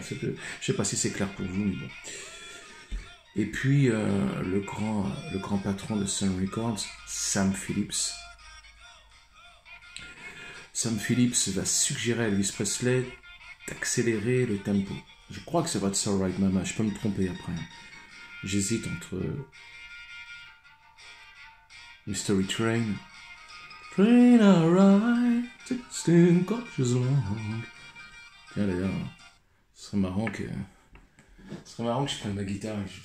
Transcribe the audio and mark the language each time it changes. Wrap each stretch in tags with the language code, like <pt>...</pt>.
<fr>Je ne sais pas si c'est clair pour vous, mais bon. Et puis le grand patron de Sun Records, Sam Phillips va suggérer à Elvis Presley d'accélérer le tempo. Je crois que c'est That's Alright Mama, je peux me tromper après. J'hésite entre Mystery Train.</fr> <en>Train I ride, sixteen coaches long.</en> <fr>Tiens d'ailleurs, ce serait marrant que je prenne ma guitare.</fr>